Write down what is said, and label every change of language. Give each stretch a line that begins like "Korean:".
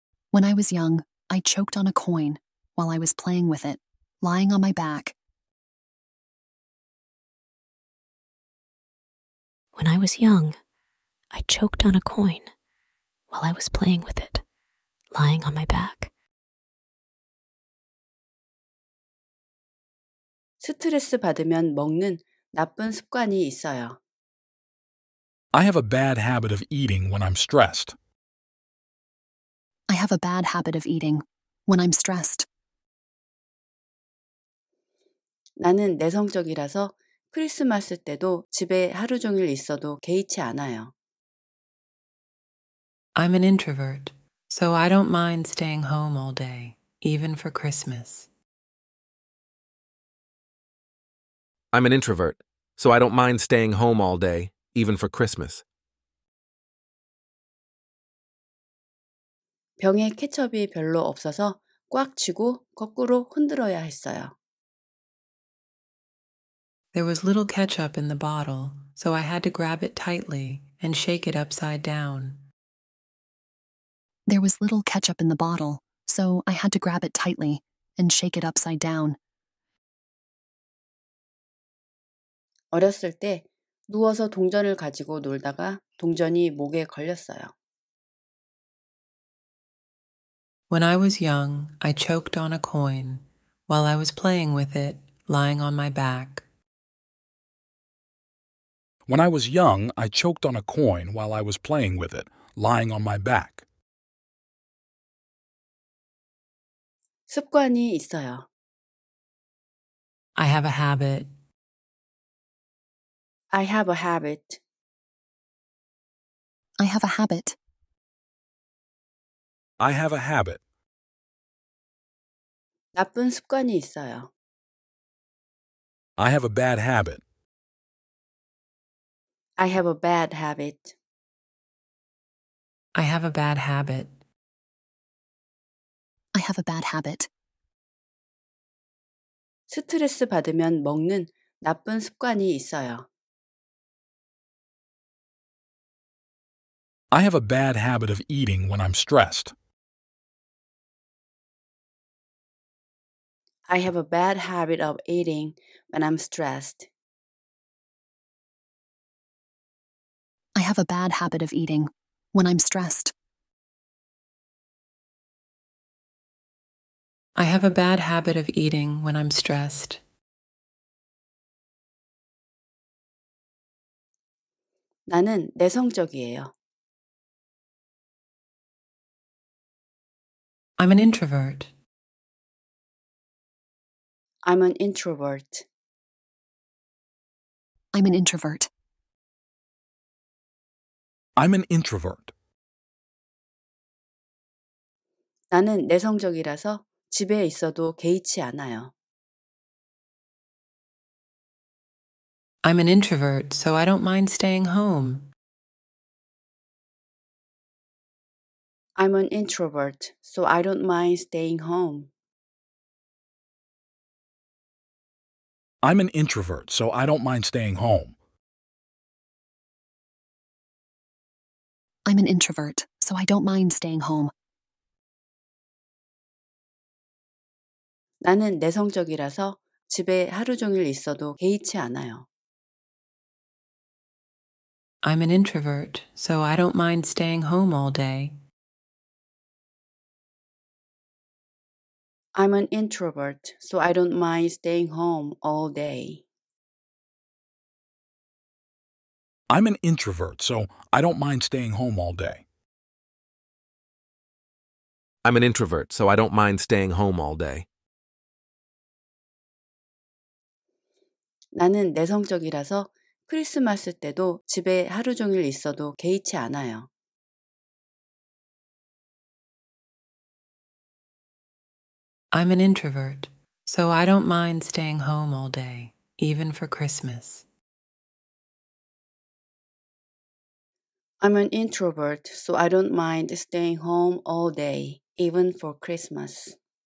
English: When I was young, I choked on a coin while I was playing with it, lying on my back. When I was young, I choked on a coin while I was playing with it, lying on my back.
Korean: 스트레스 받으면 먹는 나쁜 습관이 있어요.
English: I have a bad habit of eating when I'm stressed. I have a bad habit of eating when I'm stressed.
Korean: 나는 내성적이라서 크리스마스 때도 집에 하루 종일 있어도 개의치 않아요.
English: I'm an introvert, so I don't mind staying home all day, even for Christmas. I'm an introvert, so I don't mind staying home all day, even for Christmas.
Korean: 병에 케첩이 별로 없어서 꽉 쥐고 거꾸로 흔들어야 했어요.
English: There was little ketchup in the bottle, so I had to grab it tightly and shake it upside down. There was little ketchup in the bottle, so I had to grab it tightly and shake it upside down.
Korean: 어렸을 때 누워서 동전을 가지고 놀다가 동전이 목에 걸렸어요.
English: When I was young, I choked on a coin while I was playing with it, lying on my back. When I was young, I choked on a coin while I was playing with it, lying on my back.
Korean: 습관이 있어요.
English: I have a habit. I have a habit. I have a habit. I have a habit.
Korean: 나쁜 습관이 있어요.
English: I have a bad habit. I have a bad habit. I have a bad habit. I have a bad habit.
Korean: 스트레스 받으면 먹는 나쁜 습관이 있어요.
English: I have a bad habit of eating when I'm stressed. I have a bad habit of eating when I'm stressed. have a bad habit of eating when I'm stressed. I have a bad habit of eating when I'm stressed. I'm an introvert. I'm an introvert. I'm an introvert. I'm an introvert.
Korean: 나는 내성적이라서 집에 있어도 개의치 않아요.
English: I'm an introvert, so I don't mind staying home. I'm an introvert, so I don't mind staying home. I'm an introvert, so I don't mind staying home. I'm an introvert, so I don't mind staying home.
Korean: 나는 내성적이라서 집에 하루 종일 있어도 개의치 않아요.
English: I'm an introvert, so I don't mind staying home all day. I'm an introvert, so I don't mind staying home all day. I'm an introvert, so I don't mind staying home all day. I'm an introvert, so I don't mind staying home all day.
Korean: 나는 내성적이라서 크리스마스 때도 집에 하루 종일 있어도 개의치 않아요.
English: I'm an introvert, so I don't mind staying home all day, even for Christmas. I'm an introvert, so I don't mind staying home all day, even for Christmas.